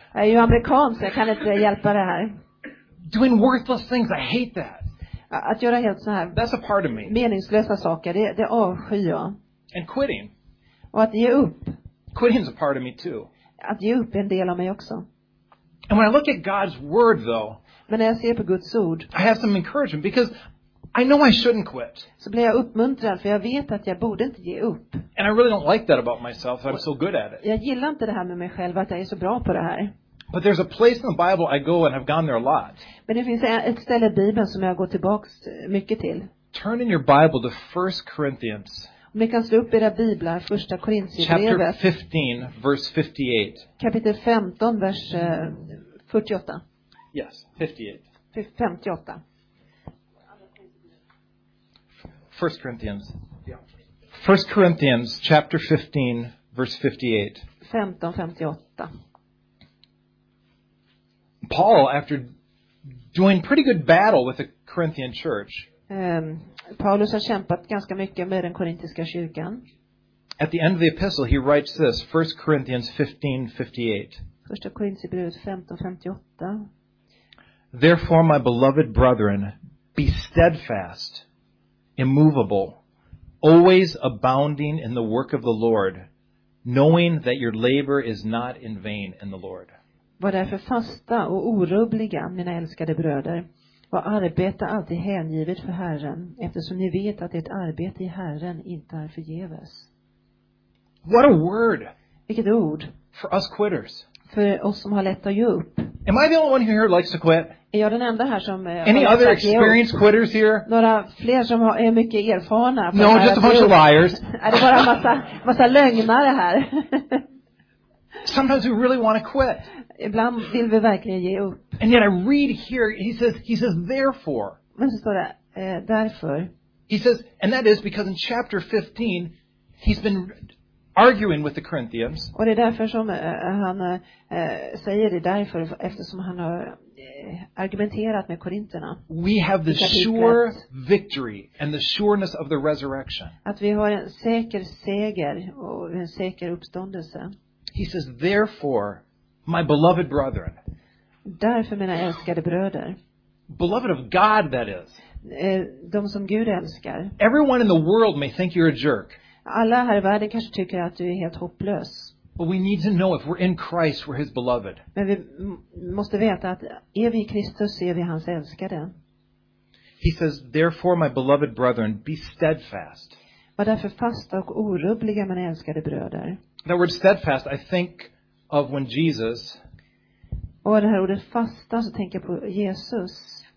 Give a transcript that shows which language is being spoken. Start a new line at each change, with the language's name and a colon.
Swedish: Jag är ju amerikan så jag kan inte hjälpa det här.
English: Doing worthless things, I hate that.
Swedish: Att göra helt så här.
English: That's a part of me.
Swedish: Meningslösa saker, det avskyr jag.
English: And quitting.
Swedish: Och att ge upp.
English: Quitting's a part of me too.
Swedish: Att ge upp är en del av mig också.
English: And when I look at God's word though.
Swedish: Men när jag ser på Guds ord.
English: I have some encouragement because I know I shouldn't quit.
Swedish: Så blir jag uppmuntrad för jag vet att jag borde inte ge upp.
English: And I really don't like that about myself, that I'm so good at it.
Swedish: Jag gillar inte det här med mig själv att jag är så bra på det här.
English: But there's a place in the Bible I go and have gone there a lot.
Swedish: Men det finns ett ställe i Bibeln som jag går tillbaks mycket till.
English: Turn in your Bible to 1 Corinthians.
Swedish: Om ni kan slå upp era biblar, första Korintierbrevet.
English: Chapter 15, verse 58.
Swedish: Kapitel 15, vers 48.
English: Yes, 58.
Swedish: 58.
English: 1 Corinthians. 1 Corinthians, chapter 15, verse 58.
Swedish: 15, 58.
English: Paul, after doing pretty good battle with the Corinthian church.
Swedish: Paulus har kämpat ganska mycket med den korintiska kyrkan.
English: At the end of the epistle he writes this, 1 Corinthians 15:58.
Swedish: Första Korintierbrevet 15:58.
English: Therefore my beloved brethren, be steadfast, immovable, always abounding in the work of the Lord, knowing that your labor is not in vain in the Lord.
Swedish: Var därför fasta och orubbliga, mina älskade bröder. Var arbeta alltid hängivet för Herren, eftersom ni vet att ert arbete i Herren inte är förgäves.
English: What a word.
Swedish: Vilket ord.
English: For us quitters.
Swedish: För oss som har lätt att ge upp.
English: Am I the only one here who likes to quit?
Swedish: Är jag den enda här som
English: any other experienced quitters here?
Swedish: Några fler som är mycket erfarna.
English: No, just a bunch of liars.
Swedish: Är det bara massa lögnare här?
English: Sometimes we really want to quit.
Swedish: Ibland vill vi verkligen ge upp.
English: And yet I read here, he says therefore.
Swedish: Men så står det därför.
English: He says, and that is because in chapter 15 he's been arguing with the Corinthians.
Swedish: Och det är därför som han säger det därför, eftersom han har argumenterat med korinterna.
English: We have the sure victory and the sureness of the resurrection.
Swedish: Att vi har en säker seger och en säker uppståndelse.
English: He says, therefore, my beloved brethren.
Swedish: Därför mina älskade bröder.
English: Beloved of God, that is.
Swedish: De som Gud älskar.
English: Everyone in the world may think you're a jerk.
Swedish: Alla här i världen kanske tycker att du är helt hopplös.
English: But we need to know if we're in Christ, we're his beloved.
Swedish: Men vi måste veta att är vi i Kristus, är vi hans älskade.
English: He says, therefore, my beloved brethren, be steadfast.
Swedish: Var därför fasta och orubbliga, mina älskade bröder.
English: That word steadfast, I think of when Jesus.
Swedish: Och det här ordet fasta, så tänker jag på Jesus.